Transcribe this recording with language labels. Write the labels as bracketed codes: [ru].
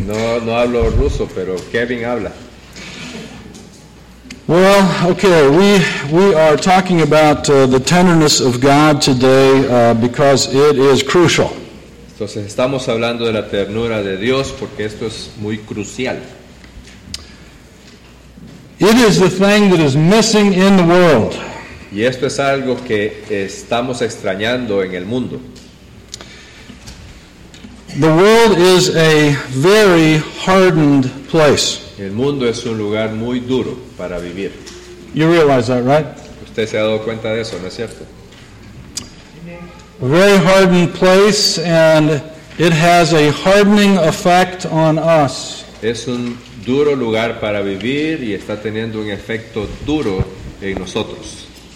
[es] No hablo ruso, pero Kevin habla. [en] Well, okay, we are talking about the tenderness of God today because it is crucial. [es] Entonces estamos hablando de la ternura de Dios porque esto es muy crucial. [en] It is the thing that is missing in the world. [es] Y esto es algo que estamos extrañando en el mundo. [en] The world is a very hardened place. [es] El mundo es un lugar muy duro para vivir. [en] You realize that, right? [es] Usted se ha dado cuenta de eso, ¿no es cierto? [en] A very hardened place, and it has a hardening effect on us. [es] Es un duro lugar para vivir y está teniendo un efecto duro en nosotros.